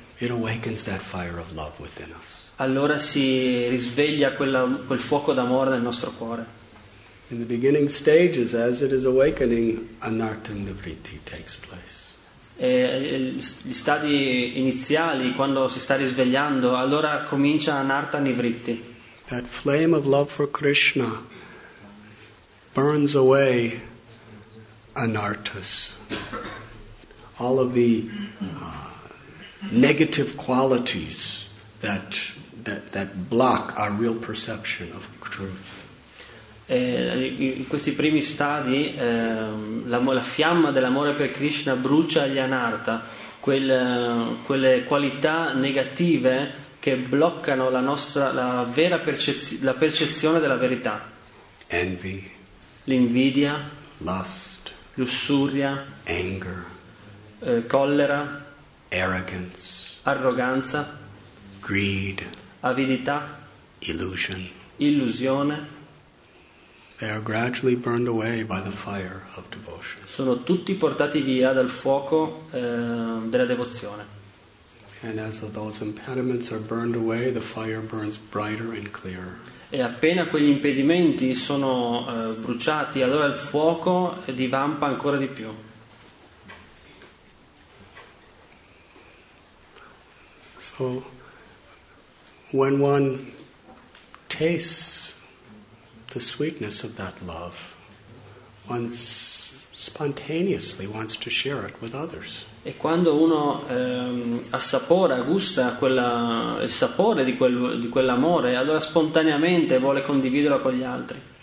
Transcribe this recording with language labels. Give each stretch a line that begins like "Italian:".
English: it awakens that fire of love within us.
Italian: Allora si risveglia quel fuoco d'amore nel nostro cuore.
English: In the beginning stages, as it is awakening, Anartandavritti takes place.
Italian: E gli stadi iniziali, quando si sta risvegliando, allora comincia Anartandavritti.
English: That flame of love for Krishna burns away anartas, all of the negative qualities that block our real perception of truth.
Italian: In questi primi stadi la fiamma dell'amore per Krishna brucia gli anarta, quelle qualità negative che bloccano la percezione della verità.
English: Envy,
Italian: l'invidia,
English: lust,
Italian: lussuria,
English: anger,
Italian: collera,
English: arrogance,
Italian: arroganza,
English: greed,
Italian: avidità,
English: illusion,
Italian: illusione.
English: They are gradually burned away by the fire of devotion.
Italian: Sono tutti portati via dal fuoco della devozione.
English: And as those impediments are burned away, the fire burns brighter and clearer.
Italian: E appena quegli impedimenti sono bruciati, allora il fuoco divampa ancora di più.
English: So when one tastes the sweetness of that love, one spontaneously wants to share it with others.
Italian: E quando uno assapora, gusta il sapore di quell'amore, allora spontaneamente vuole condividerlo con gli altri.